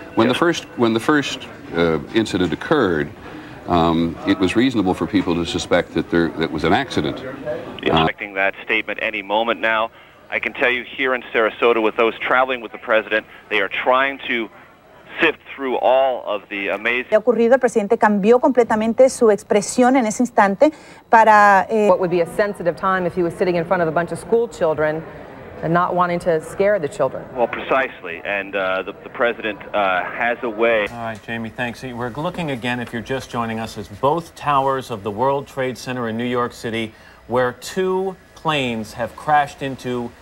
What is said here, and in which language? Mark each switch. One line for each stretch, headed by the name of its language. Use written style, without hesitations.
English: When the first incident occurred, it was reasonable for people to suspect that that was an accident. Expecting that statement any moment now. I can tell you here in Sarasota, with those traveling with the president, they are trying to sift through all of the amazing.
Spanish: Ha ocurrido, el presidente cambió completamente su expresión en ese instante para.
English: What would be a sensitive time if he was sitting in front of a bunch of school children and not wanting to scare the children? Well, precisely, and the president has a way. All right, Jamie, thanks. See, we're looking again, if you're just joining us, as both towers of the World Trade Center in New York City, where two planes have crashed into.